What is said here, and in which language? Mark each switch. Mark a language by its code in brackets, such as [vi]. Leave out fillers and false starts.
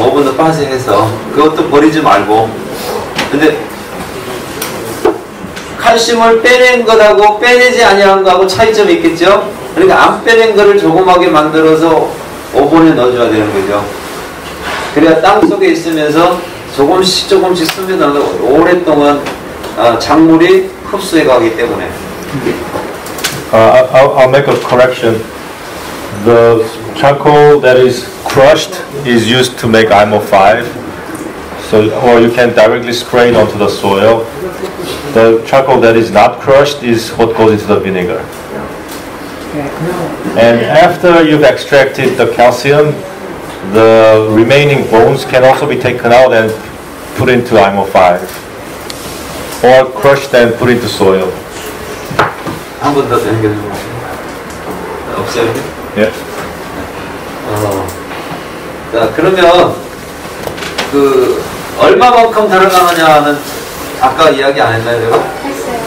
[ko] 오븐도 파쇄해서 그것도 버리지 말고. 근데 칼슘을 빼낸 것하고 빼내지 아니한 것하고 차이점이 있겠죠. 그러니까 안 빼낸 것을 조그맣게 만들어서 오븐에 넣어줘야 되는 거죠. 그래야 땅 속에 있으면서 조금씩 조금씩 스며들고 오랫동안 작물이 흡수해 가기 때문에. [en] I'll make a correction. The charcoal that is crushed is used to make IMO5. So, or you can directly spray it onto the soil. The charcoal that is not crushed is what goes into the vinegar. And after you've extracted the calcium, the remaining bones can also be taken out and put into IMO5. Or crushed and put into soil. [ko] 한 번 더 생겨주고 없어요? 예. 자 그러면 그 얼마만큼 들어가느냐는 아까 이야기 안 했나요, 제가? 했어요.